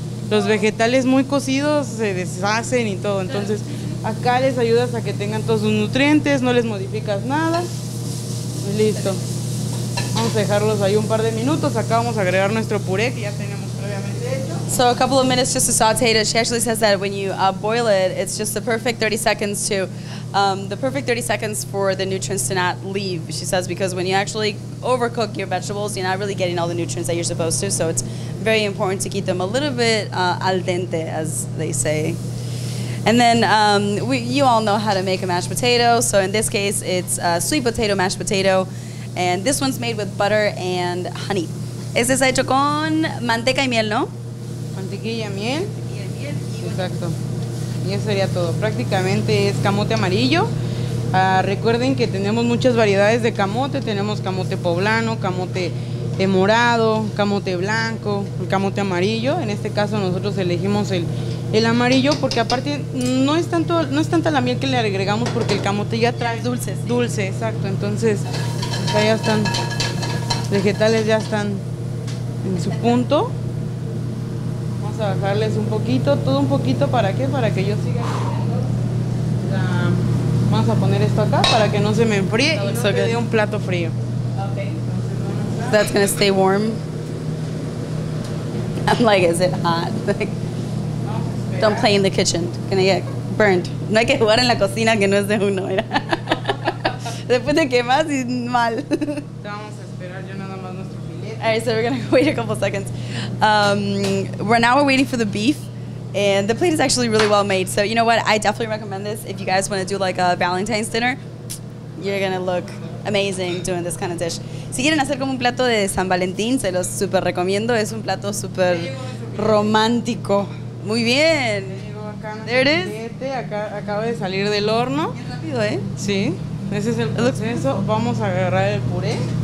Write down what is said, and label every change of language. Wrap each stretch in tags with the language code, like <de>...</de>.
<es>Los vegetales muy cocidos se deshacen y todo, entonces acá les ayudas a que tengan todos sus nutrientes, no les modificas nada, y listo. Vamos a dejarlos ahí un par de minutos, acá vamos a agregar nuestro puré que ya tenemos.</es> <en>So a couple of minutes just to saute it. She actually says that when you boil it, it's just the perfect 30 seconds to, the perfect 30 seconds for the nutrients to not leave, she says, because when you actually overcook your vegetables, you're not really getting all the nutrients that you're supposed to. So it's very important to keep them a little bit al dente, as they say. And then you all know how to make a mashed potato. So in this case, it's a sweet potato, mashed potato. And this one's made with butter and honey.</en> <es>Este es hecho con manteca y miel, ¿no? Mantequilla, miel. Mantequilla, miel. Exacto. Y eso sería todo. Prácticamente es camote amarillo. Recuerden que tenemos muchas variedades de camote. Tenemos camote poblano, camote morado, camote blanco, camote amarillo. En este caso nosotros elegimos el amarillo porque aparte no es tanta la miel que le agregamos porque el camote ya trae dulce. Sí. Dulce, exacto. Entonces pues ya están vegetales, ya están en su punto. A bajarles un poquito, todo un poquito, ¿para qué? Para que yo siga cocinando. Vamos a poner esto acá para que no se me enfríe y no se dé un plato frío.</es> <en>Okay. That's gonna stay warm. I'm like, is it hot? Like, don't play in the kitchen. Gonna get burned.</en> <es>No hay que jugar en la cocina que no es de uno. Después de quemas y mal. Vamos a esperar yo nada más nuestro filete.</es> <en>All right, so we're gonna wait a couple seconds. We're waiting for the beef, and the plate is actually really well made. So you know what? I definitely recommend this if you guys want to do like a Valentine's dinner. You're gonna look amazing doing this kind of dish.</en> <es>Si quieren hacer como un plato de San Valentín, se los super recomiendo. Es un plato super romántico. Muy bien.</es> <en>There it is.</en> <es>Acaba de salir del horno. Rápido, ¿eh? Sí. Ese es el proceso. Vamos a agarrar el puré.</es>